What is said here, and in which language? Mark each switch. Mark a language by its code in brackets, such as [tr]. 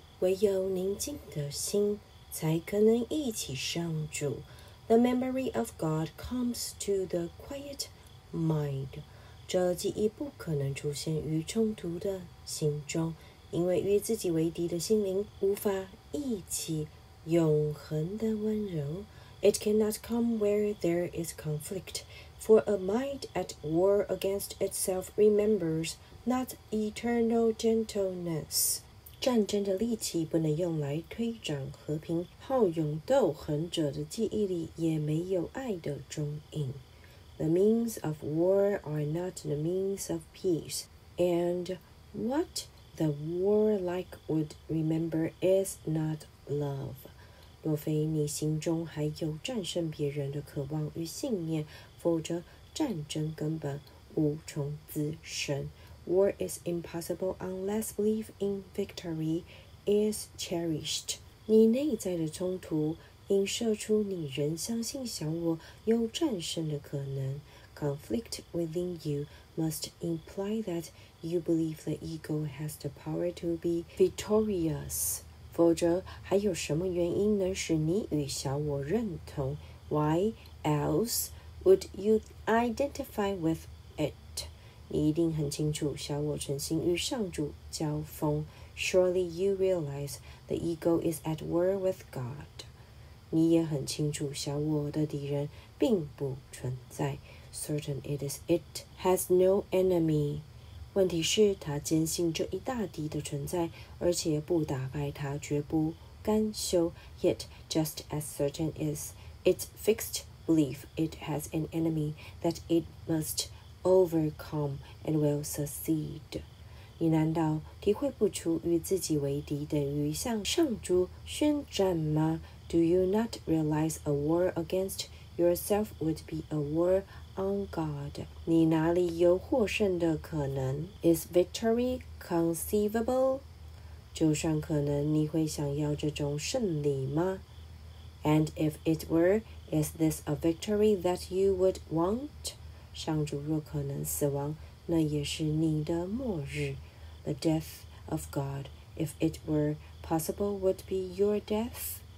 [zh] 唯有宁静的心，才可能一起上主。 [en] The memory of God comes to the quiet mind. [zh] 这记忆不可能出现于冲突的心中，因为与自己为敌的心灵无法忆起永恒的温柔。 [en] It cannot come where there is conflict, for a mind at war against itself remembers not eternal gentleness. [zh] 战争的利器不能用来推展和平，好勇斗狠者的记忆里也没有爱的踪影。 [en] The means of war are not the means of peace, and what the warlike would remember is not love. [zh] 若非你心中还有战胜别人的渴望与信念，否则战争根本无从滋生。 [en] War is impossible unless belief in victory is cherished. [zh] 你内在的冲突映射出你仍相信小我有战胜的可能。 [en] Conflict within you must imply that you believe the ego has the power to be victorious. [zh] 否则还有什么原因能使你与小我认同？ [en] Why else would you identify with it? [zh] 你一定很清楚，小我诚心与上主交锋。 [en] Surely you realize the ego is at war with God. [zh] 你也很清楚，小我的敌人并不存在。 [en] Certain it is, it has no enemy. [zh] 问题是，他坚信这一大敌的存在，而且不打败他，绝不甘休。 [en] Yet just as certain is, it's fixed belief it has an enemy that it must. Overcome and will succeed. [zh] 你难道体会不出与自己为敌等于向上主宣战吗？ [en] Do you not realize a war against yourself would be a war on God? [zh] 你哪里有获胜的可能？ [en] Is victory conceivable? [zh] 就算可能，你会想要这种胜利吗？ [en] And if it were, is this a victory that you would want? [zh] 上主若可能死亡，那也是你的末日。 [en] The death of God, if it were possible, would be your death.